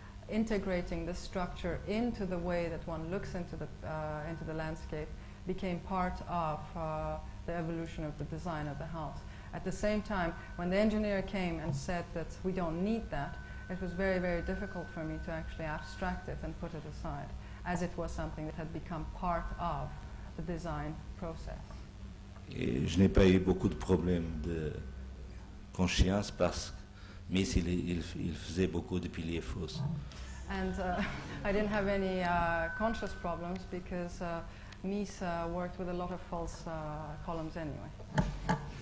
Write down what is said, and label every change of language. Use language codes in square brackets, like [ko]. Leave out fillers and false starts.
[en] integrating the structure into the way that one looks into the landscape became part of the evolution of the design of the house. At the same time, when the engineer came and said that we don't need that, it was very, very difficult for me to actually abstract it and put it aside, as it was something that had become part of the design process. [fr] Et je n'ai pas eu beaucoup de problèmes de conscience parce que mais il faisait beaucoup de piliers fausses. [en] And I didn't have any conscious problems because Mies worked with a lot of false columns anyway.